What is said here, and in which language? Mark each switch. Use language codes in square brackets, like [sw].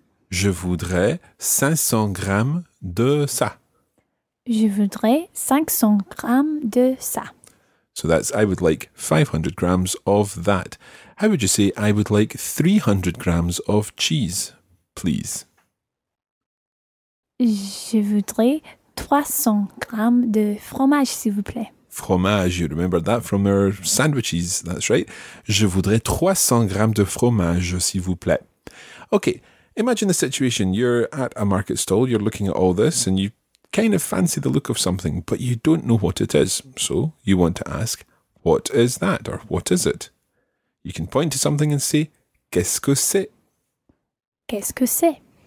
[fr] Je voudrais 500 grammes de ça. Je voudrais 500 grammes de ça. [en] So that's, I would like 500 grams of that. How would you say, I would like 300 grams of cheese, please? [fr] Je voudrais 300 grammes de fromage, s'il vous plaît. [en] Fromage, you remember that from our sandwiches, that's right. [fr] Je voudrais 300 grammes de fromage, s'il vous plaît. [en] Okay, imagine the situation. You're at a market stall, you're looking at all this, and you kind of fancy the look of something, but you don't know what it is. So you want to ask, what is that, or what is it? You can point to something and say, [fr] qu'est-ce que c'est? Qu'est-ce que c'est?